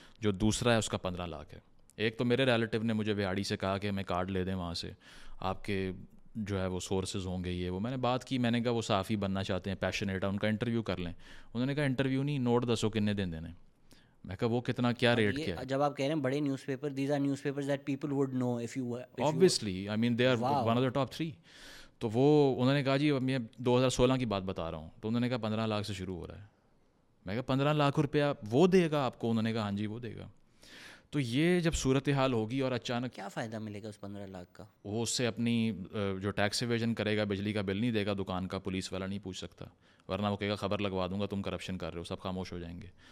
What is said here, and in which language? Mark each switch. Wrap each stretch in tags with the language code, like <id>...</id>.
<ur>جو دوسرا ہے اس کا 15 lakh ہے. ایک تو میرے ریلیٹیو نے مجھے ویہاڑی سے کہا کہ ہمیں کارڈ لے دیں وہاں سے, آپ کے جو ہے وہ سورسز ہوں گے یہ وہ. میں نے بات کی, میں نے کہا وہ صحافی بننا چاہتے ہیں, پیشنیٹ ہیں, ان کا انٹرویو کر لیں. انہوں نے کہا انٹرویو نہیں, نوٹ دسو کتنے دن دینے. میں کہا وہ کتنا کیا ریٹ کیا. جب آپ کہہ رہے ہیں بڑے news paper,</ur> <en>These are news paper that people would know of you or, obviously I mean they are one of the top 3.</en> <ur>تو وہ انہوں نے کہا جی, میں 2016 کی بات بتا رہا ہوں. تو انہوں نے کہا 15 lakh سے شروع ہو رہا ہے. میں کہا 15 lakh روپیہ وہ دے گا آپ کو؟ انہوں نے کہا ہاں جی وہ دے گا. تو یہ جب صورتحال ہوگی اور اچانک کیا فائدہ ملے گا اس 15 lakh کا؟ وہ اس سے اپنی جو ٹیکس ایویژن کرے گا, بجلی کا بل نہیں دے گا دکان کا, پولیس والا نہیں پوچھ سکتا, ورنہ وہ کہے گا خبر لگوا دوں گا تم کرپشن کر رہے ہو, سب خاموش ہو جائیں گے.</ur>